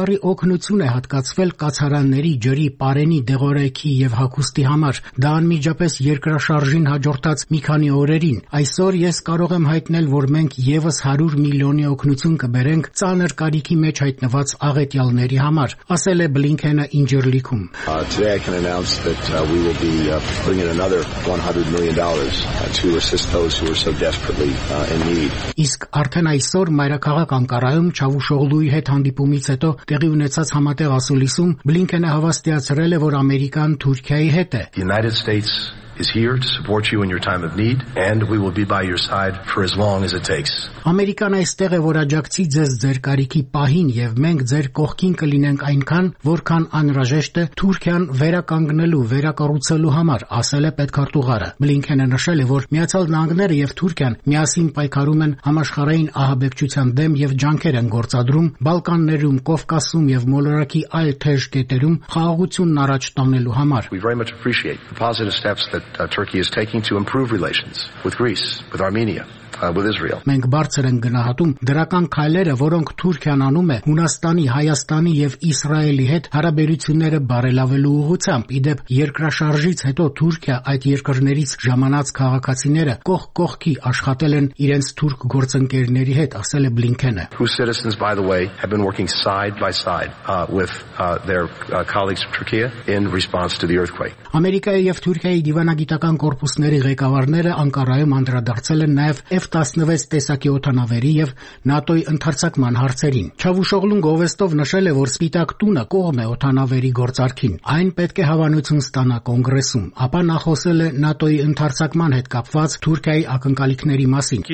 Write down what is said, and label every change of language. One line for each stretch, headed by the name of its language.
Armenian: օգնություն է հատկացվել կացարանների, ջրի, պարենի, դեղորայքի եւ հագուստի համար։ Դա անմիջապես երկրաշարժին հաջորդած մի քանի օրերին։ Այսօր ես կարող եմ հայտնել, որ մենք եւս 100 միլիոնի օգնություն կբերենք ծանր կարիքի մեջ հայտնված աղետյալների համար, ասել է Բլինքենը Ինջիրլիքում։
English: Today I can announce that we will be bringing another $100 million to assist those who are so desperately in need.
Armenian: Իսկ արդեն այսօր մայրաքաղաք Անկարայում Չավուշօղլուի հետ հանդիպումից հետո տեղի ունեցած համատեղ ասուլիսում Բլինքենը հավաստիացրել է, որ Ամերիկան Թուրքիայի հետ է։
English: United States is here to support you in your time of need, and we will be by your side for as long as it takes.
Armenian: Ամերիկան այստեղ է որաջակցի ձեզ ձեր կարիքի պահին, և մենք ձեր կողքին կլինենք այնքան, որքան անհրաժեշտ է Թուրքիան վերականգնելու, վերակառուցելու համար, ասել է պետքարտուղարը։ Բլինքենը նշել է, որ Միացյալ Նահանգները և Թուրքիան միասին պայքարում են համաշխարհային ահաբեկչության դեմ և ջանքեր են գործադրում Բալկաններում, Կովկասում և մոլորակի այլ թեժ կետերում խաղաղությունն առաջ տանելու համար։
English: We very much appreciate the positive steps that Turkey is taking to improve relations with Greece, with Armenia.
Armenian: Մենք բարձր ենք գնահատում դրական քայլերը, որոնք Թուրքիան անում է Հունաստանի, Հայաստանի և Իսրայելի հետ հարաբերությունները բարելավելու ուղղությամբ։ Իդեպ, երկրաշարժից հետո Թուրքիա այդ երկրներից ժամանած քաղաքացիները կողք կողքի աշխատել են իրենց թուրք գործընկերների հետ, ասել է Բլինքենը։
English: Whose citizens, by the way, have been working side by side with their colleagues from Turkey in response to the earthquake.
Armenian: Ամերիկայի և Թուրքիայի դիվանագիտական կորպուսների ղեկավարները Անկարայում անդրադարձել են նաև F-16 տեսակի օդանավերի և ՆԱՏՕ-ի ընդարձակման հարցերին։ Չավուշողլուն Գովեստով նշել է, որ Սպիտակ տունը կողմ է օդանավերի գործարքին։ Այն պետք է հավանություն ստանա Կոնգրեսում, ապա նա խոսել է ՆԱՏՕ-ի ընդարձակման հետ կապված Թուրքիայի ակնկալիքների մասին։